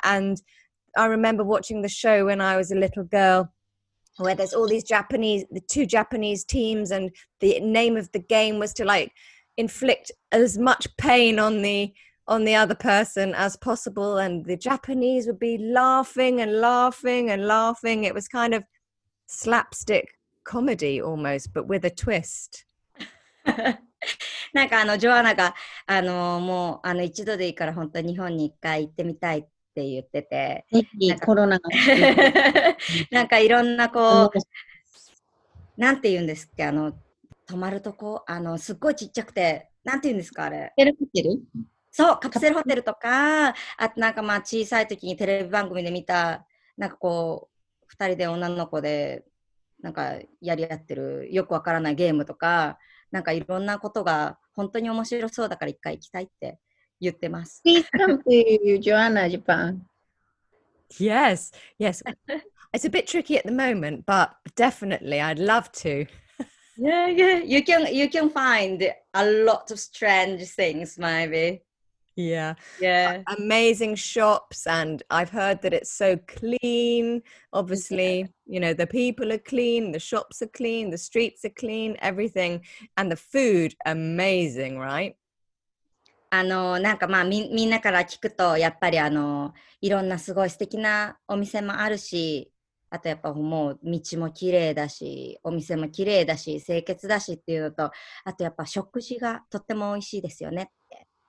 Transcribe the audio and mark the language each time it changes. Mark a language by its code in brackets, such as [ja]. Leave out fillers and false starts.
[en] And I remember watching the show when I was a little girl, where there's all these two Japanese teams, and the name of the game was to like inflict as much pain on the other person as possible, and the Japanese would be laughing and laughing and laughing. It was kind of slapstick comedy almost, but with a twist. [ja] なんかあのジョアナがあのもうあの一度でいいから本当日本に一回行ってみたい。って言ってて、コロナがなんかいろんなこうなんて言うんですっけ、あの泊まるとこ、あのすっごいちっちゃくてなんて言うんですか、あれカプセルホテル、そうカプセルホテルとか、あとなんかまあ小さい時にテレビ番組で見たなんかこう二人で女の子でなんかやり合ってるよくわからないゲームとか、なんかいろんなことが本当に面白そうだから一回行きたいって言ってます。 [en] Please come to you, Joanna, Japan. Yes, yes. It's a bit tricky at the moment, but definitely, I'd love to. Yeah, yeah. You can find a lot of strange things, maybe. Yeah. Yeah. Amazing shops, and I've heard that it's so clean. Obviously, yeah. You know, the people are clean, the shops are clean, the streets are clean, everything. And the food, amazing, right? [ja] あのなんかまあみんなから聞くとやっぱりあのいろんなすごい素敵なお店もあるし、あとやっぱもう道も綺麗だし、お店も綺麗だし、清潔だしっていうのと、あとやっぱ食事がとっても美味しいですよねって。